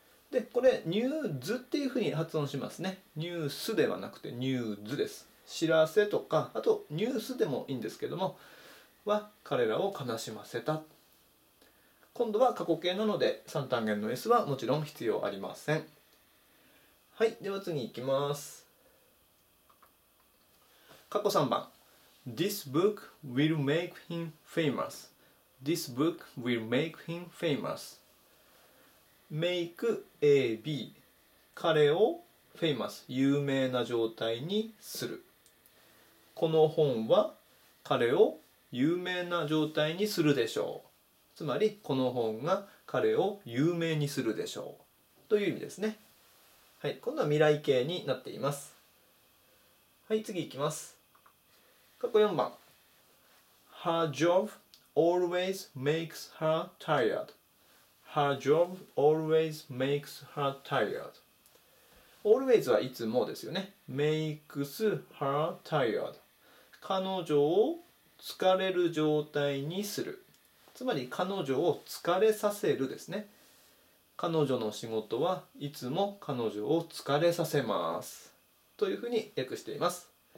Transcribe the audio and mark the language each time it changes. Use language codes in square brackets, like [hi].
[ja] で、これニュースっていうふうに発音しますね。ニュースではなくてニュースです。知らせとか、あとニュースでもいいんですけども、は彼らを悲しませた。今度は過去形なので3単元の s はもちろん必要ありません。はい、では次いきます。過去3番、 [en] This book will make him famous. This book will make him famous. Make AB [ja] 彼を famous 有名な状態にする。この本は彼を有名な状態にするでしょう。つまりこの本が彼を有名にするでしょうという意味ですね。はい、今度は未来形になっています。はい、次いきます。過去4番、 [en] Her job always makes her tired. Her job always makes her tired. [ja] Always はいつもですよね。 [en] Makes her tired [ja] 彼女を疲れる状態にする、つまり彼女を疲れさせるですね。彼女の仕事はいつも彼女を疲れさせますというふうに訳しています。